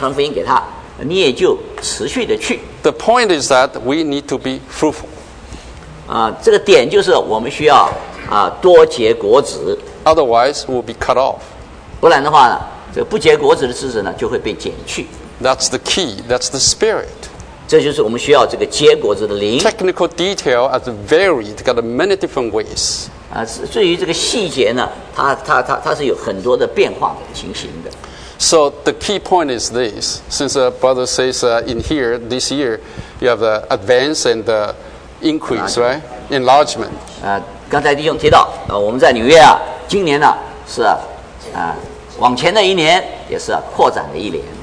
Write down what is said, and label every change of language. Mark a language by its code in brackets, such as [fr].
[zh] 如果你有机会去人家家里面传福音给他，你也就持续的去。 [en] The point is that we need to be fruitful. [zh] 这个点就是我们需要多结果子。 [en] Otherwise, we'll be cut off. [zh] 不然的话，这不结果子的枝子呢，就会被剪去。 [en] That's the key. That's the spirit. [zh] 这就是我们需要这个结果子的灵. [en] Technical detail has varied. Got many different ways. [zh] 至于这个细节呢，它是有很多的变化情形的. [en] So the key point is this: since the brother says in here this year you have the advance and the increase, right? Enlargement. [zh] 刚才弟兄提到，我们在纽约，今年呢是往前的一年，也是扩展的一年。